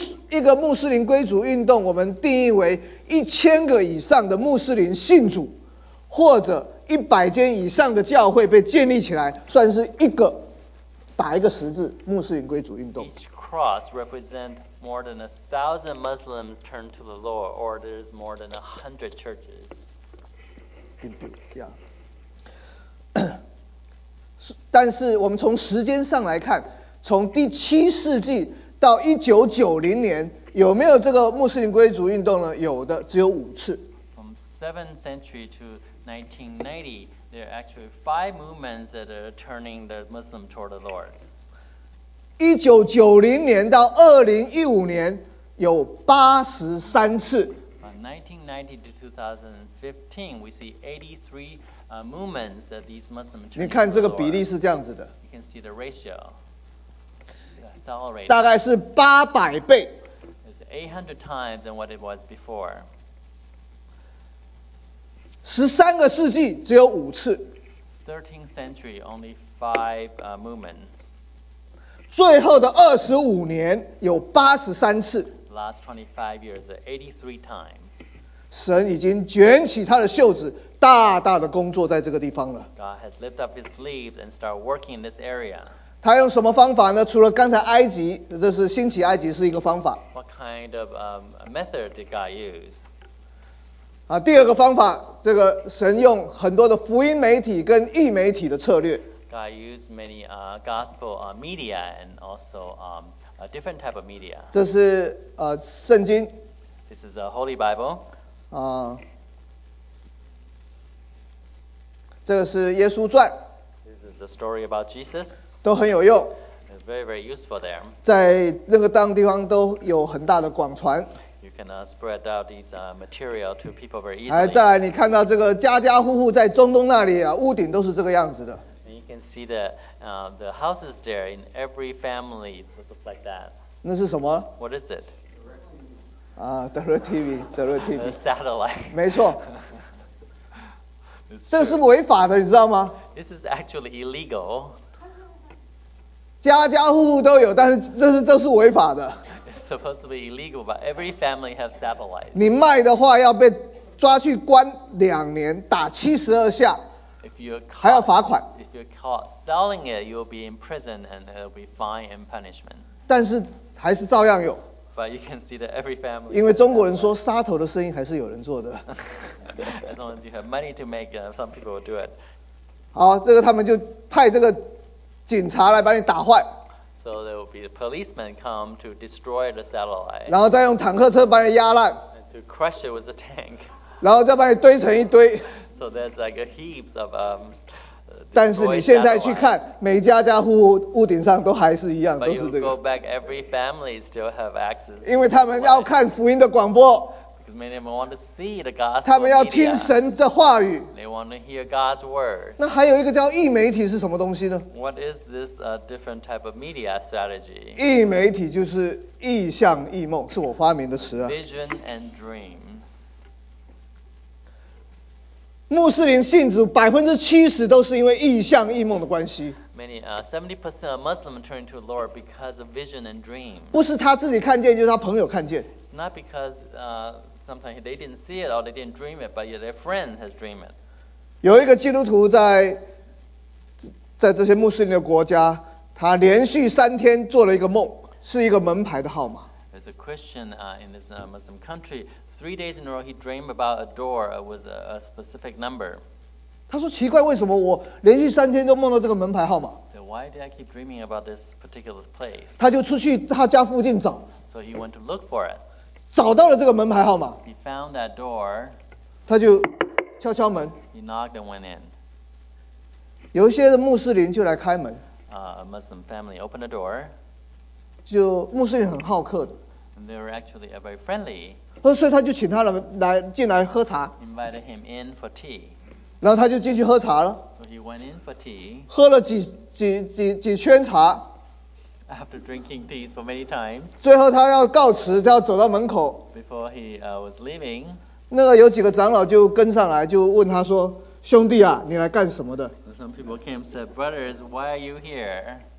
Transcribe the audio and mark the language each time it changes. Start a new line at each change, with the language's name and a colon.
Chinese: 一个穆斯林归主运动，我们定义为1000个以上的穆斯林信主，或者100间以上的教会被建立起来，算是一个打一个十字穆斯林归主运动。
English: Each cross represents more than 1,000 Muslims turn to the Lord, or there's more than 100 churches. Yeah.
Chinese: 但是我们从时间上来看，从第七世纪。到1990年，有没有这个穆斯林归主运动呢？有的，只有5次。
English: From 7th century to 1990, there are actually 5 movements that are turning the Muslim toward the Lord.
Chinese: 1990年到2015年，有83次。
English: From 1990 to 2015, we see 83 movements that these Muslims.
Chinese: 你看这个比例是这样子的。
English: You can see the ratio.
Chinese: 大概是800倍。
English: It's 800 times than what it was before.
Chinese: 13个世纪只有5次。
English: 13th century only 5 movements.
Chinese: 最后的25年有83次。
English: last 25 years 83 times.
Chinese: 神已经卷起他的袖子，大大的工作在这个地方了。
English: God has lifted up his sleeves and started working in this area.
Chinese: 他用什么方法呢？除了刚才埃及，这是兴起埃及是一个方法。
English: What kind of method did God use?
Chinese: 第二个方法，这个神用很多的福音媒体跟异媒体的策略。
English: God used many gospel media and also a different type of media.
Chinese: 这是圣经。
English: This is a Holy Bible.
Chinese: 这个是耶稣传。
English: This is a story about Jesus.
Chinese: 都很有用。
English: It's very very useful there.
Chinese: 在那个当地方都有很大的广传。
English: You can spread out these material to people very easily.
Chinese: 再来，你看到这个家家户户在中东那里啊，屋顶都是这个样子的。
English: You can see the houses there in every family look like that.
Chinese: 那是什么？
English: What is it? Direct TV. The satellite.
Chinese: 没错。这是违法的，你知道吗？
English: This is actually illegal.
Chinese: 家家户户都有，但是这是违法的。
English: It's supposed to be illegal, but every family have satellite.
Chinese: 你卖的话要被抓去关两年，打72下。还要罚款。
English: If you're caught selling it, you'll be in prison and there'll be fine and punishment.
Chinese: 但是还是照样有。
English: But you can see that every family.
Chinese: 因为中国人说杀头的生意还是有人做的。
English: As long as you have money to make, some people will do it.
Chinese: 好，这个他们就派这个警察来把你打坏。
English: So there will be a policeman come to destroy the satellite.
Chinese: 然后再用坦克车把你压烂。
English: To crush it with a tank.
Chinese: 然后再把你堆成一堆。
English: So there's like a heaps of
Chinese: 但是你现在去看，每家家户户屋顶上都还是一样，都是这个。
English: But you go back, every family still have access.
Chinese: 因为他们要看福音的广播。
English: Because many of them want to see the gospel.
Chinese: 他们要听神的话语。
English: They want to hear God's word.
Chinese: 那还有一个叫异媒体是什么东西呢？
English: What is this a different type of media strategy?
Chinese: 异媒体就是异象异梦，是我发明的词啊。
English: Vision and dream.
Chinese: 穆斯林信主 70% 都是因为异象异梦的关系。
English: Many 70% of Muslims turn to the Lord because of vision and dream.
Chinese: 不是他自己看见，就是他朋友看见。
English: It's not because sometimes they didn't see it or they didn't dream it, but yet their friend has dreamed it.
Chinese: 有一个基督徒在这些穆斯林的国家，他连续三天做了一个梦，是一个门牌的号码。
English: There's a Christian in this Muslim country. Three days in a row, he dreamed about a door with a specific number.
Chinese: 他说奇怪，为什么我连续三天都梦到这个门牌号码？
English: So why did I keep dreaming about this particular place?
Chinese: 他就出去他家附近找。
English: So he went to look for it.
Chinese: 找到了这个门牌号码。
English: He found that door.
Chinese: 他就敲敲门。
English: He knocked and went in.
Chinese: 有一些的穆斯林就来开门。
English: A Muslim family opened the door.
Chinese: 就穆斯林很好客的。
English: And they were actually very friendly.
Chinese: 所以他就请他来进来喝茶。
English: Invited him in for tea.
Chinese: 然后他就进去喝茶了。
English: So he went in for tea.
Chinese: 喝了几圈茶。
English: After drinking tea for many times.
Chinese: 最后他要告辞，他要走到门口。
English: Before he was leaving.
Chinese: 那个有几个长老就跟上来，就问他说：“兄弟啊，你来干什么的？”
English: Some people came and said, "Brothers, why are you here?"